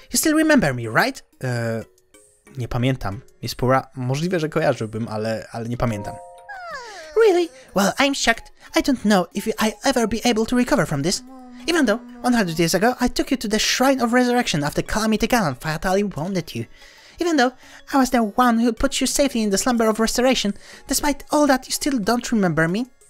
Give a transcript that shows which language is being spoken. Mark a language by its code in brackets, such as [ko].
[en] You still remember me, right? [pl] Nie pamiętam. Miss Pura, możliwe, że kojarzyłbym, ale nie pamiętam. [en] Really? Well, I'm shocked. I don't know if I'll ever be able to recover from this. Even though, 100 years ago, I took you to the Shrine of Resurrection after Calamity Ganon fatally wounded you. Even though I was the one who put you safely in the Slumber of Restoration, despite all that, you still don't remember me.